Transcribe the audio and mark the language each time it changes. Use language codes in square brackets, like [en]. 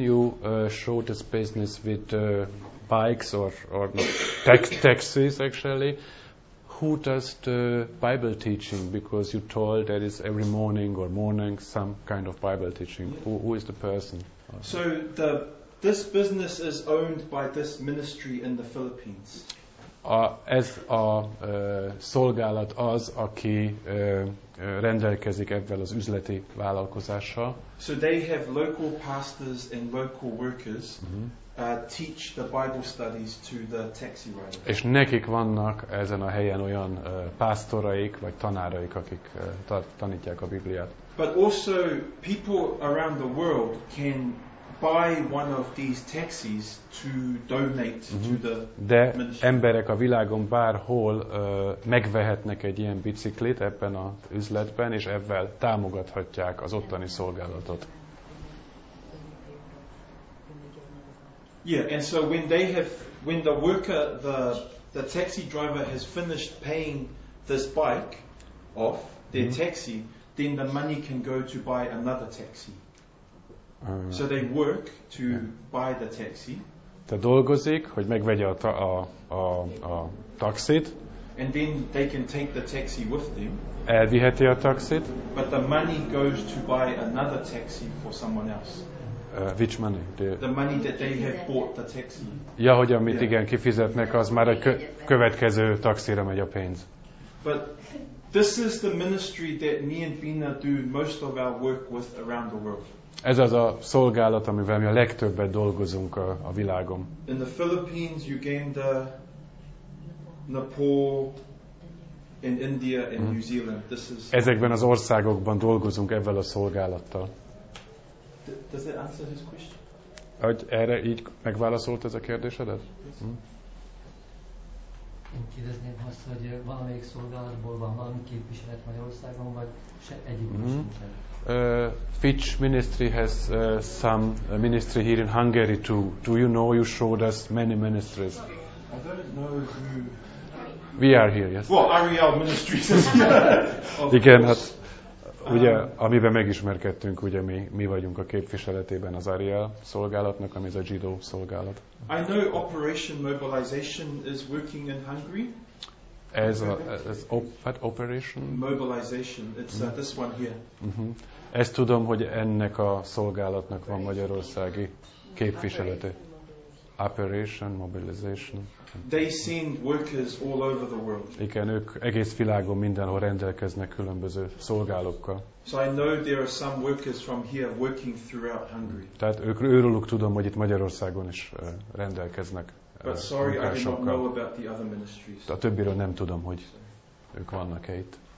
[en] You showed this business with bikes or taxis, actually. Who does the Bible teaching? Because you told there is every morning or morning some kind of Bible teaching. Yeah. Who is the person? So the This business is owned by this ministry in the Philippines. [hu] Ez a szolgálat az, aki rendelkezik ebben az üzleti vállalkozással. [en] So they have local pastors and local workers teach the Bible studies to the taxi riders. [hu] És nekik vannak ezen a helyen olyan pásztoraik vagy tanáraik, akik tanítják a Bibliát. [en] But also people around the world can buy one of these taxis to donate to the [hu] De emberek a világon bárhol megvehetnek egy ilyen biciklit ebben az üzletben, és ezzel támogathatják az ottani szolgálatot. [en] Yeah, and so when they have, when the worker, the taxi driver has finished paying this bike off their taxi, then the money can go to buy another taxi. So they work to buy the taxi. [hu] Te dolgozik, hogy megvegye a taxit. [en] And then they can take the taxi with them. [hu] Elviheti a taxit. [en] But the money goes to buy another taxi for someone else. Which money? The money that they have bought the taxi. [hu] Ja, hogy amit igen kifizetnek, az már a következő taxira megy a pénz. [en] But this is the ministry that me and Vina do most of our work with around the world. [hu] Ez az a szolgálat, amivel mi a legtöbbet dolgozunk a világon. [en] In the Philippines, Uganda, Nepal, and India and New Zealand. This is. [hu] Ezekben az országokban dolgozunk ebben a szolgálattal. [en] Does it answer his question? [hu] Hogy erre így megválaszolt ez a kérdésedet? Én kérdezném azt, hogy valamelyik szolgálatból van valami képviselet Magyarországon, vagy se egyik [en] Fitch Ministry has some ministry here in Hungary too. Do you know, you showed us many ministries. I don't know who... We are here, yes. Well, Ariel Ministries is here. [hu] Igen, hát ugye, amiben megismerkedtünk, ugye mi vagyunk a képviseletében az Ariel szolgálatnak, ami ez a zsidó szolgálat. [en] I know Operation Mobilization is working in Hungary. [hu] Ez operation? [en] Mobilization, it's this one here. [hu] Ezt tudom, hogy ennek a szolgálatnak van magyarországi képviselete. [en] Operation Mobilization. They send workers all over the world. [hu] Igen, ők egész világon mindenhol rendelkeznek különböző szolgálókkal. [en] So I know there are some workers from here working throughout Hungary. [hu] Tehát őrőlük tudom, hogy itt Magyarországon is rendelkeznek. [en] But sorry, I do not know about the other ministries. [hu] A többiről nem tudom, hogy ők vannak-e itt.